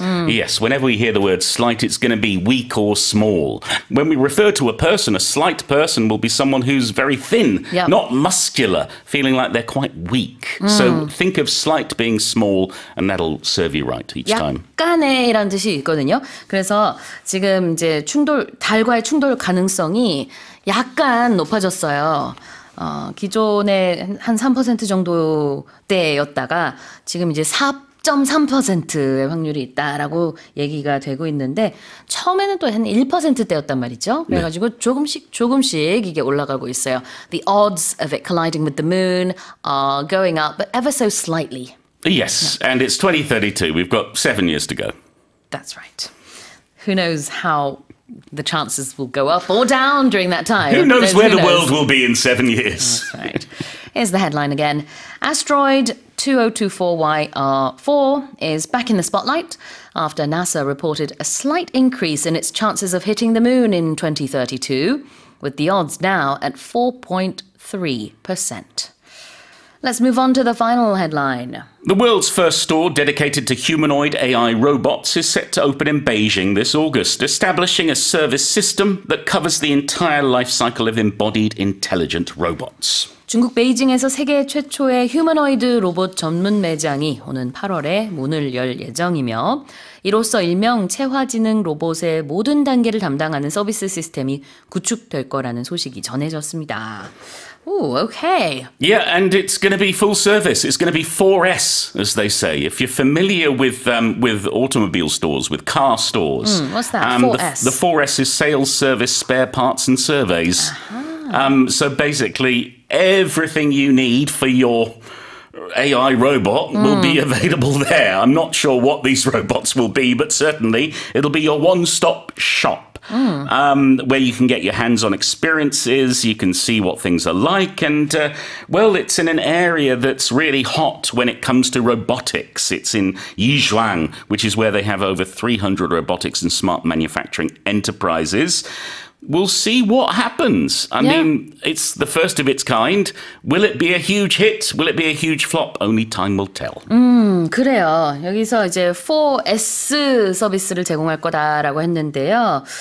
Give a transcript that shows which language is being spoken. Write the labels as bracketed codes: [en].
[en] Yes, whenever we hear the word slight, it's going to be weak or small. When we refer to a person, a slight person will be someone who's very thin, not muscular, feeling like they're quite weak. So think of slight being small, and that'll serve you right each [ko] 약간의 [en] time. [ko] 약간의라는 뜻이 있거든요. 그래서 지금 이제 충돌, 달과의 충돌 가능성이 약간 높아졌어요. 기존에 한 3% 정도 때였다가 지금 이제 4.3%의 확률이 있다라고 얘기가 되고 있는데 처음에는 또 한 1% 때였단 말이죠. 그래가지고 네. 조금씩 이게 올라가고 있어요. [en] The odds of it colliding with the moon are going up, but ever so slightly. Yes, and it's 2032. We've got 7 years to go. That's right. who knows how the chances will go up or down during that time. Who knows where the world will be in 7 years? That's right. Here's the headline again. Asteroid 2024YR4 is back in the spotlight after NASA reported a slight increase in its chances of hitting the moon in 2032, with the odds now at 4.3%. Let's move on to the final headline. The world's first store dedicated to humanoid AI robots is set to open in Beijing this August, establishing a service system that covers the entire life cycle of embodied intelligent robots. [ko] 중국 베이징에서 세계 최초의 휴머노이드 로봇 전문 매장이 오는 8월에 문을 열 예정이며, 이로써 일명 체화지능 로봇의 모든 단계를 담당하는 서비스 시스템이 구축될 거라는 소식이 전해졌습니다. [en] Ooh, okay. Yeah, and it's going to be full service. It's going to be 4S, as they say. If you're familiar with automobile stores, with car stores. What's that? 4S. The 4S is sales, service, spare parts, and surveys. Uh-huh. So basically, everything you need for your AI robot will be available there. I'm not sure what these robots will be, but certainly it'll be your one-stop shop. Where you can get your hands-on experiences, you can see what things are like, and, well, it's in an area that's really hot when it comes to robotics. It's in Yizhuang, which is where they have over 300 robotics and smart manufacturing enterprises. We'll see what happens. I mean, it's the first of its kind. Will it be a huge hit? Will it be a huge flop? Only time will tell. [ko] 그래요. 여기서 이제 4S 서비스를 제공할 거다라고 했는데요.